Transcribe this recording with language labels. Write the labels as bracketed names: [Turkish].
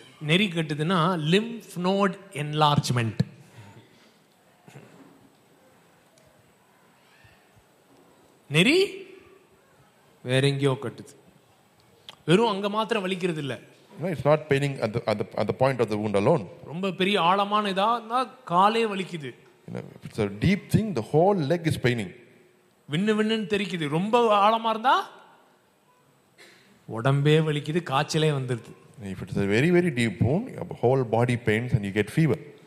[Tamil] நெறி கட்டுதுன்னா [English] lymph node enlargement. [Tamil] நெறி வேற எங்கயோ கட்டுது, வெறும் அங்க மாத்திரம் வலிக்கிறது இல்ல. [English] No, it's not paining at the point of the wound alone. [Tamil] ரொம்ப பெரிய ஆழமான இதான்னா காலே வலிக்குது. [English] It's a deep thing, the whole leg is paining. [Tamil] வின்னு வின்னுன்னு தெரிக்குது. ரொம்ப ஆழமா இருந்தா உடம்பே வலிக்குது, காய்ச்சலே வந்துருது. [English] If it's a very very deep wound, your whole body pains and you get fever.